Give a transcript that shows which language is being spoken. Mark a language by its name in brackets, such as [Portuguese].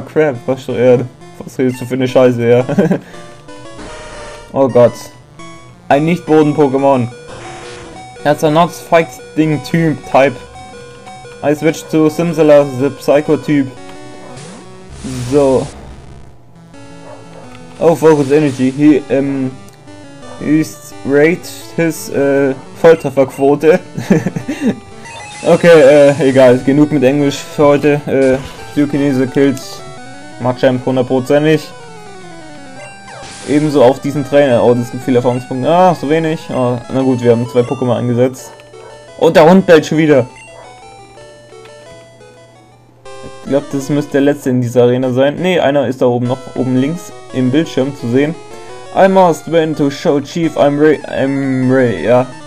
[German] Crap, was redest du für eine Scheiße, ja? Oh Gott. Ein Nicht-Boden-Pokémon. [English] That's a not fighting type. I switch to Simsela, the Psycho-Type. So. Oh, Focus Energy. He raised his Volltreffer-Quote. [German] Okay, egal. Genug mit Englisch für heute. Psychokinese kills Machamp 100%ig. Ebenso auf diesen Trainer. Oh, das gibt viele Erfahrungspunkte. Ah, so wenig. Oh, na gut, wir haben zwei Pokémon angesetzt. Und der Hund bellt schon wieder. Ich glaube, das müsste der letzte in dieser Arena sein. Ne, einer ist da oben noch, oben links im Bildschirm zu sehen. [English] I must win to show Chief I'm Ray, ja.